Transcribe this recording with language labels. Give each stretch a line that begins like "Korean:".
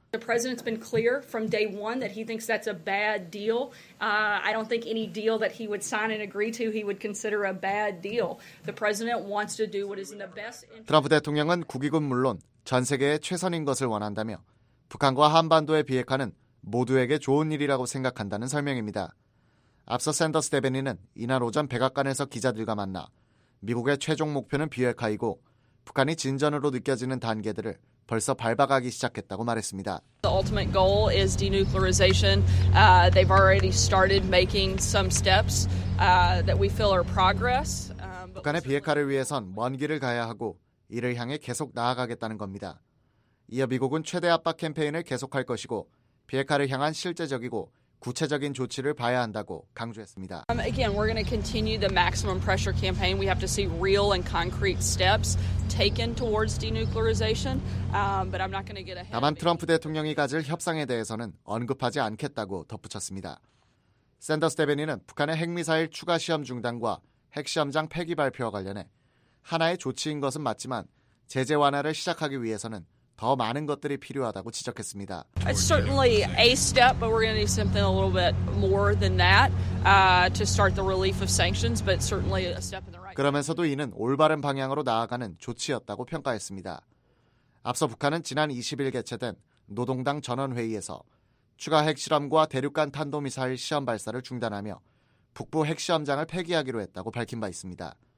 English: The president's been clear from day one that he thinks that's a bad deal. I don't think any deal that he would sign and agree to he would consider a bad deal. The president wants to do what is in the best interest.
Korean: 트럼프 대통령은 국익은 물론 전 세계의 최선인 것을 원한다며 북한과 한반도의 비핵화는 모두에게 좋은 일이라고 생각한다는 설명입니다. 앞서 샌더스 대변인은 이날 오전 백악관에서 기자들과 만나 미국의 최종 목표는 비핵화이고 북한이 진전으로 느껴지는 단계들을 벌써 밟아가기 시작했다고 말했습니다.
English: The ultimate goal is denuclearization. They've already started making some steps that we feel are progress.
Korean: 북한의 비핵화를 위해선 먼 길을 가야 하고 이를 향해 계속 나아가겠다는 겁니다. 이어 미국은 최대 압박 캠페인을 계속할 것이고 비핵화를 향한 실제적이고 구체적인 조치를 봐야 한다고 강조했습니다.
English: Again, we're going to continue the maximum pressure campaign. We have to see real and concrete steps. taken towards denuclearization, but I'm not going to get ahead.
Korean: 다만 트럼프 대통령이 가질 협상에 대해서는 언급하지 않겠다고 덧붙였습니다. 샌더스 대변인은 북한의 핵미사일 추가 시험 중단과 핵시험장 폐기 발표와 관련해 하나의 조치인 것은 맞지만 제재 완화를 시작하기 위해서는 더 많은 것들이 필요하다고 지적했습니다.
English: It's certainly a step, but we're going to need something a little bit more than that to start the relief of sanctions, but certainly a step in the right.
Korean: 그러면서도 이는 올바른 방향으로 나아가는 조치였다고 평가했습니다. 앞서 북한은 지난 20일 개최된 노동당 전원회의에서 추가 핵실험과 대륙간 탄도미사일 시험 발사를 중단하며 북부 핵시험장을 폐기하기로 했다고 밝힌 바 있습니다.